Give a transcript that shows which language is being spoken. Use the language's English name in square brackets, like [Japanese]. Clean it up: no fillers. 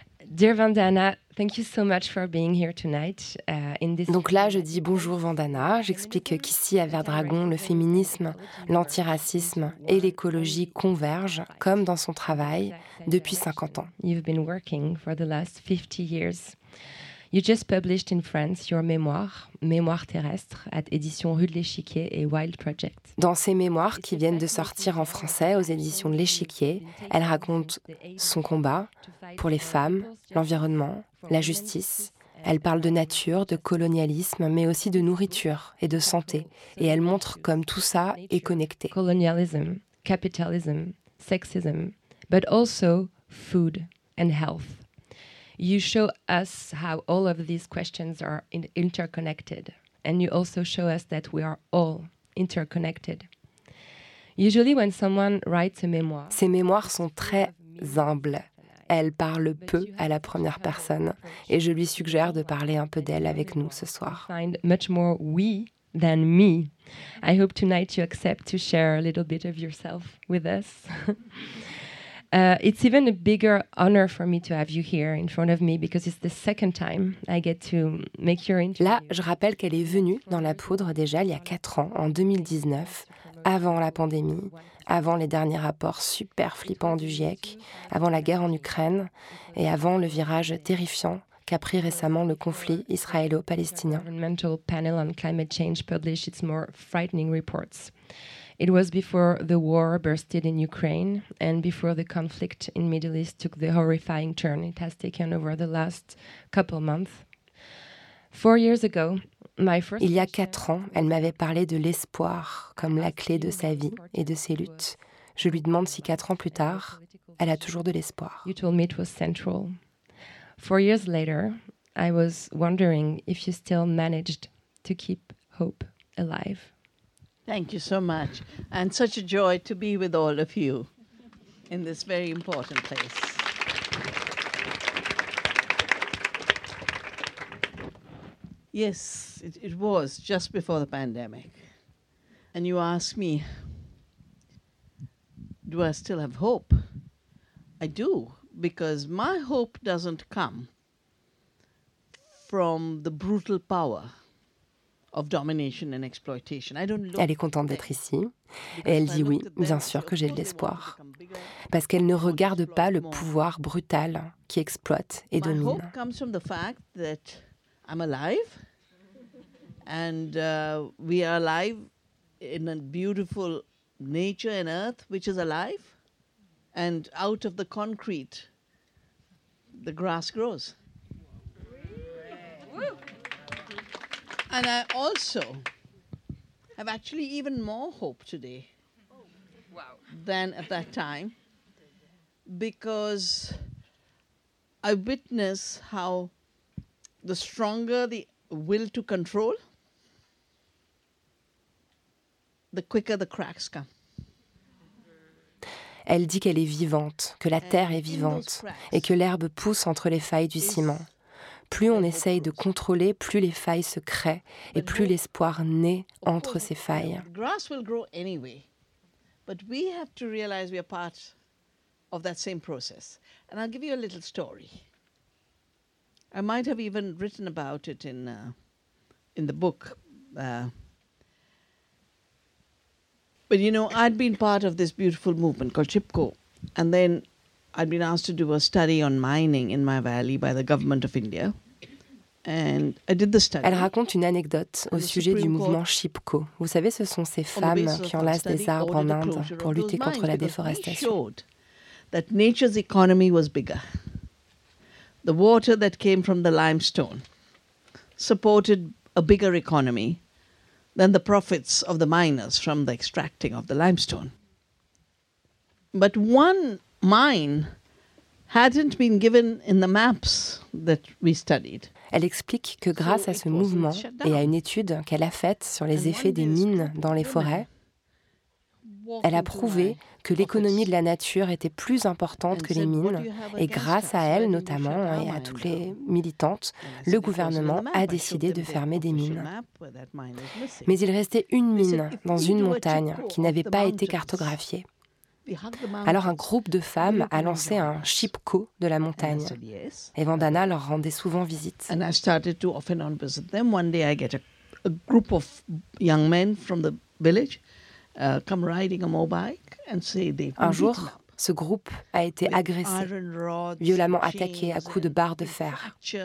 [English] Dear Vandana, thank you so much for being here tonight. [French] Donc là, je dis bonjour Vandana. J'explique qu'ici, à Verdragon, le féminisme, l'antiracisme et l'écologie convergent, comme dans son travail, depuis 50 ans. [English] You've been working for the last 50 years. You just published in France your memoir, Mémoire terrestre, at éditions Rue de l'Échiquier et Wild Project. [French] Dans ses mémoires qui viennent de sortir en français aux éditions de l'Échiquier, elle raconte son combat pour les femmes, l'environnement, la justice. Elle parle de nature, de colonialisme, mais aussi de nourriture et de santé. Et elle montre comme tout ça est connecté. [English] Colonialism, capitalism, sexism, but also food and health. You show us how all of these questions are interconnected. And you also show us that we are all interconnected. Usually when someone writes a memoir... [French] Ses mémoires sont très humbles. Elle parle peu à la première personne et je lui suggère de parler un peu d'elle avec nous ce soir. [English] Find much more we than me. I hope tonight you accept to share a little bit of yourself with us. It's even a bigger honor for me to have you here in front of me because it's the second time I get to make your interview. [French] Là, je rappelle qu'elle est venue dans la poudre déjà il y a 4 ans, en 2019, avant la pandémie, avant les derniers rapports super flippants du GIEC, avant la guerre en Ukraine et avant le virage terrifiant qu'a pris récemment le conflit israélo-palestinien. [English] The Environmental Panel on Climate Change published its more frightening reports. It was before the war bursted in Ukraine and before the conflict in Middle East took the horrifying turn it has taken over the last couple months. 4 years ago, my first... [French] Il y a 4 ans, elle m'avait parlé de l'espoir comme la clé de sa vie et de ses luttes. Je lui demande si 4 ans plus tard, elle a toujours de l'espoir. [English] You told me it was central. 4 years later, I was wondering if you still managed to keep hope alive. Thank you so much, and such a joy to be with all of you in this very important place. Yes, it was just before the pandemic. And you asked me, do I still have hope? I do, because my hope doesn't come from the brutal power of domination and exploitation. I don't look... [French] Elle est contente d'être ici. Et elle dit oui, bien sûr que j'ai de l'espoir. Parce qu'elle ne regarde pas le pouvoir brutal qui exploite et domine. [English] My hope comes from the fact that I'm alive. And we are alive in a beautiful nature and earth, which is alive. And out of the concrete, the grass grows. And I also have actually even more hope today than at that time because I witness how the stronger the will to control, the quicker the cracks come. [French] Elle dit qu'elle est vivante, que la terre est vivante et que l'herbe pousse entre les failles du ciment. Plus on essaye de contrôler, plus les failles se créent et plus l'espoir naît entre ces failles. [English] The grass will grow anyway, but we have to realize we are part of that same process. And I'll give you a little story. I might have even written about it in the book. But you know, I'd been part of this beautiful movement called CHIPCO, and then I'd been asked to do a study on mining in my valley by the government of India. And I did the study. [French] Elle raconte une anecdote au sujet du mouvement CHIPCO. Vous savez, ce sont ces femmes qui enlacent des arbres en Inde pour lutter contre la déforestation. [English] That nature's economy was bigger. The water that came from the limestone supported a bigger economy than the profits of the miners from the extracting of the limestone. But one mine hadn't been given in the maps that we studied. [French] Elle explique que grâce à ce mouvement et à une étude qu'elle a faite sur les effets des mines dans les forêts, elle a prouvé que l'économie de la nature était plus importante que les mines. Et grâce à elle, notamment, et à toutes les militantes, le gouvernement a décidé de fermer des mines. Mais il restait une mine dans une montagne qui n'avait pas été cartographiée. Alors un groupe de femmes a lancé un CHIPCO de la montagne. Et Vandana leur rendait souvent visite. [English] And I started to often on visit them. One day I get a group of young men from the village come riding a mobile and say they've [French] un jour, [English] beaten up. [French] Ce groupe a été agressé, violemment attaqué à coups de barres de fer.